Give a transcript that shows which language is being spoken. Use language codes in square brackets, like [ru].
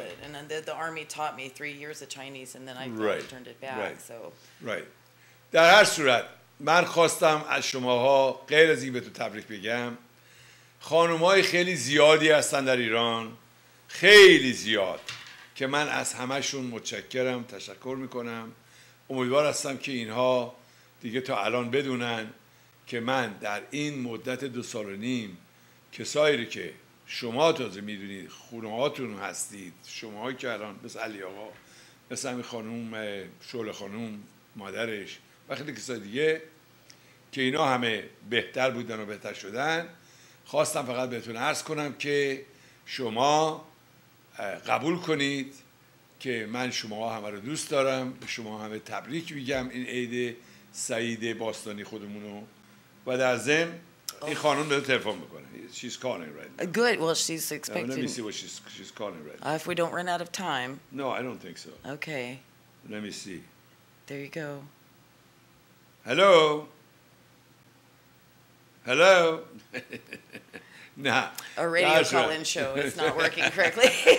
[en] it, and then the army taught me 3 years of Chinese, and then I right. turned it back. Right. So. [fa] Right. در هر صورت. من خواستم از شماها غیر از این به تو تبریک بگم خانومهای خیلی زیادی هستن در ایران خیلی زیاد که من از همهشون متشکرم تشکر میکنم امیدوار هستم که اینها دیگه تا الان بدونن که من در این مدت 2.5 سال کسایی رو که شما تازه میدونید خونه هاتون هستید شماها که الان مثل علی آقا مثل همین خانوم شعله خانوم مادرش و خیلی کسای دیگه که اینا همه بهتر بودن و بهتر شدن خواستم فقط بهتون عرض کنم که شما قبول کنید که من شما همه رو دوست دارم به شما همه تبریک میگم این عید سعید باستانی خودمونو و در ضمن این خانم داره تلفن میکنه [en] She's calling right now Good, well she's expecting Let me see what she's calling right now If we don't run out of time No, I don't think so Okay Let me see There you go Hello? Hello? Nah. A radio call-in show is not working correctly.